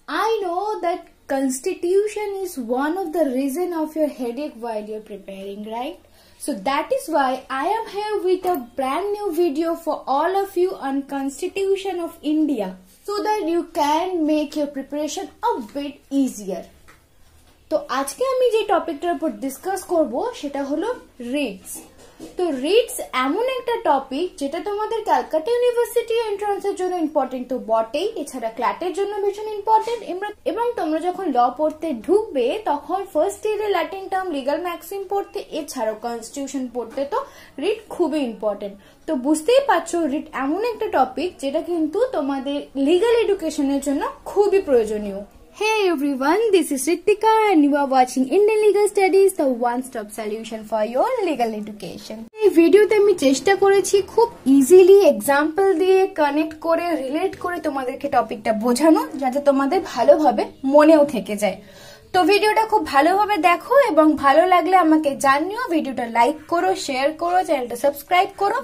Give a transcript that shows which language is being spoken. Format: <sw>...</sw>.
<en>I know that constitution is one of the reason of your headache while you're preparing, right? So that is why I am here with a brand new video for all of you on constitution of India so that you can make your preparation a bit easier.</en> <bn>So আজকে আমি যে টপিকটার উপর discuss করব সেটা হলো reads. তো reads এমন একটা টপিক যেটা তোমাদের ক্যালকাটা ইউনিভার্সিটি এন্ট্রান্সের জন্য ইম্পর্টেন্ট তো বটেই, এছাড়া ক্ল্যাটের জন্য ভীষণ ইম্পর্টেন্ট, এবং তোমরা যখন ল পড়তে ঢুকবে তখন ফার্স্ট ইয়ারে ল্যাটিন টার্ম লিগাল ম্যাক্সিম পড়তে, এছাড়াও কনস্টিটিউশন পড়তে তো রিড খুবই ইম্পর্টেন্ট। তো বুঝতেই পারছো রিড এমন একটা টপিক যেটা কিন্তু তোমাদের লিগাল এডুকেশনের জন্য খুবই প্রয়োজনীয়।</bn> <en>Hey everyone, this is Ritika and you are watching Indian Legal Studies, the one-stop solution for your legal education.</en> <bn>এই ভিডিওতে আমি চেষ্টা করেছি খুব ইজিলি এক্সাম্পল দিয়ে কানেক্ট করে রিলেট করে তোমাদেরকে টপিকটা বোঝানো, যাতে তোমাদের ভালোভাবে মনেও থেকে যায়। তো ভিডিওটা খুব ভালোভাবে দেখো এবং ভালো লাগলে আমাকে জানিও, ভিডিওটা লাইক করো, শেয়ার করো, চ্যানেলটা সাবস্ক্রাইব করো।</bn>